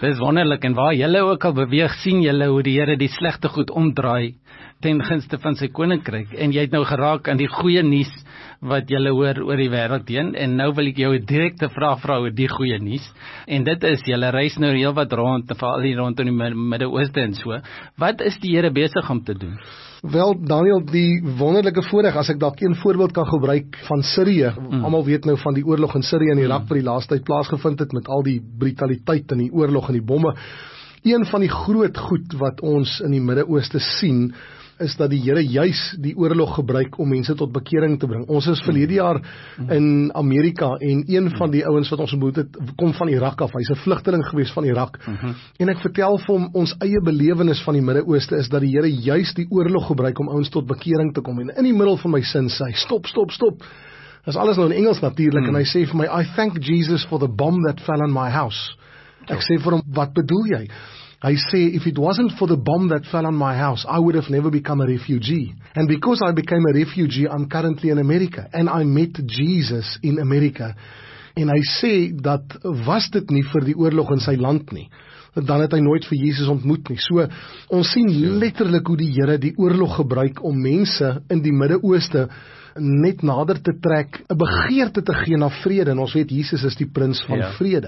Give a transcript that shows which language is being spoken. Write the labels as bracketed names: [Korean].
[Afrikaans] Dis wonderlik en waar julle ook al beweeg, sien julle hoe die Here die slegte goed omdraai ten gunste van sy koninkryk en jy het nou geraak aan die goeie nuus wat julle hoor oor die wêreld heen en nou wil ek jou 'n direkte vraag vra oor die goeie nuus en dit is julle reis nou heelwat rond, veral hier rondom die Midde-Ooste en so. Wat is die Here besig om te doen? Wel Daniel, die wonderlike voorreg as ek dalk een voorbeeld kan gebruik van Sirië. Almal weet nou van die oorlog in Sirië en Irak wat die laaste tyd plaasgevind het met al die brutaliteit in die oorlog en die bomme. Een van die groot goed wat ons in die Midde-Ooste sien is dat die Here juis die oorlog gebruik om mense tot bekering te bring. Ons is verlede jaar in Amerika en een van die ouens wat ons ontmoet het, kom van Irak af. Hy's 'n vlugteling gewees van Irak. En ek vertel vir hom ons eie belewenis van die Midde-Ooste is dat die Here juis die oorlog gebruik om ouens tot bekering te kom. En in die middel van my sin sê hy, stop. Dis alles nou in Engels natuurlik en hy sê vir my, [English] I thank Jesus for the bomb that fell on my house. [Afrikaans] Ek sê vir hom, wat bedoel jy? [English] I say, if it wasn't for the bomb that fell on my house, I would have never become a refugee. And because I became a refugee, I'm currently in America. And I met Jesus in America. And I say, [Afrikaans] dat was dit nie vir die oorlog in sy land nie. Dan het hy nooit vir Jesus ontmoet nie. So, ons sien letterlik hoe die Here die oorlog gebruik om mense in die Midde-Ooste net nader te trek, 'n begeerte te gee na vrede, en ons weet Jesus is die prins van vrede.